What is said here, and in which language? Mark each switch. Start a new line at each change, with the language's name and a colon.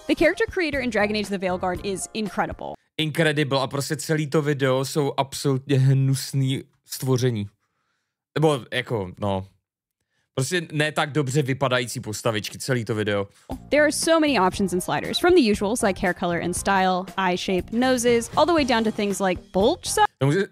English: The character creator in Dragon Age The Veilguard is incredible.
Czech: Incredible a prostě celý to video jsou absolutně hnusný stvoření. Nebo jako, no. Prostě ne tak dobře vypadající postavičky, celý to video.
English: There are so many options and sliders, from the usuals like hair color and style, eye shape, noses, all the way down to things like bulge size.